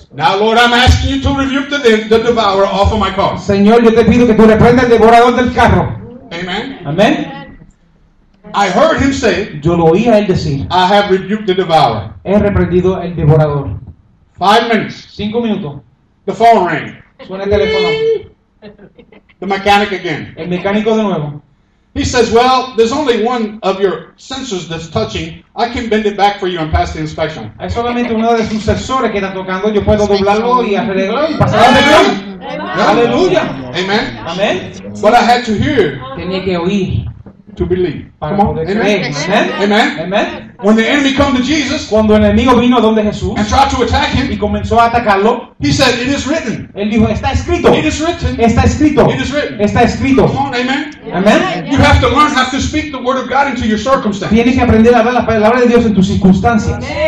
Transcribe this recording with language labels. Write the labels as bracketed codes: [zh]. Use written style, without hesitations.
[en] Now, Lord, I'm asking you to rebuke the devourer off of my car. [es] Señor, yo te pido que tú reprendas el devorador del carro. Amen. Amen. [en] I heard him say. [es] Yo lo oí a él decir. [en] I have rebuked the devourer. [es] He reprendido el devorador. [en] 5 minutes. [es] 5 minutos. [en] The phone rang. [es] Suena el teléfono. [en] The mechanic again. [es] El mecánico de nuevo. [en] He says, "Well, there's only one of your sensors that's touching. I can bend it back for you and pass the inspection." [es] Hay solamente uno de sus sensores que está tocando. Yo puedo doblarlo y arreglarlo y pasarlo. Amen. Amen. Yeah. Aleluya. Amen. Amen. [en] But I had to hear. [es] Tenía que oír. [en] To believe. [es] Para poder creer. Amen. Amen. [en] Amen. When the enemy came to Jesus. [es] Cuando el enemigo vino donde Jesús. [en] And tried to attack him. [es] Y comenzó a atacarlo. [en] He said, "It is written." [es] Él dijo, está escrito. [en] It is written. [es] Está escrito. [en] It is written. [es] Está escrito. [en] Come on, amen. Amen. You have to learn how to speak the word of God into your circumstances. [es] Tienes que aprender a hablar la palabra de Dios en tus circunstancias.